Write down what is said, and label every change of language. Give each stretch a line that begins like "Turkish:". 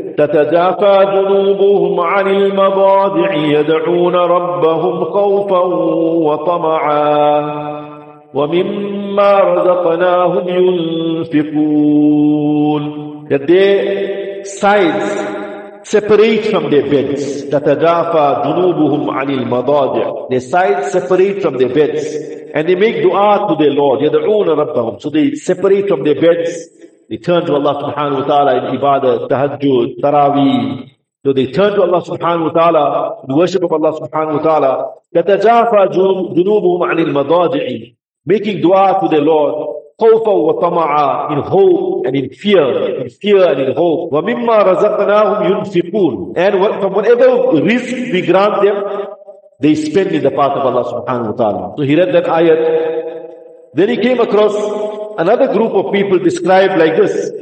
Arabic: تَتَجَافَى جُنُوبُهُمْ عَنِ الْمَضَاجِعِ يَدْعُونَ رَبَّهُمْ خَوْفًا وَطَمَعًا وَمِمَّا رَزَقْنَاهُمْ يُنْفِقُونَ.
English: That their sides separate from their beds.
Arabic: تَتَجَافَى جُنُوبُهُمْ عَنِ الْمَضَاجِعِ.
English: Their sides separate from their beds. And they make dua to their Lord.
Arabic: يَدْعُونَ رَبَّهُمْ.
English: So they separate from their beds. They turn to Allah subhanahu wa ta'ala in ibadah, tahajjud, taraweeh. So they turn to Allah subhanahu wa ta'ala, the worship of Allah subhanahu wa ta'ala.
Arabic: تَتَجَافَى جُنُوبُهُمْ عَنِ الْمَضَاجِعِ.
English: Making dua to their Lord.
Arabic: خَوْفًا وَطَمَعًا.
English: In hope and in fear. In fear and in hope.
Arabic: وَمِمَّا رَزَقْنَاهُمْ يُنْفِقُونَ.
English: And from whatever risk we grant them, they spend in the path of Allah subhanahu wa ta'ala. So he read that ayat. Then he came across another group of people described like this.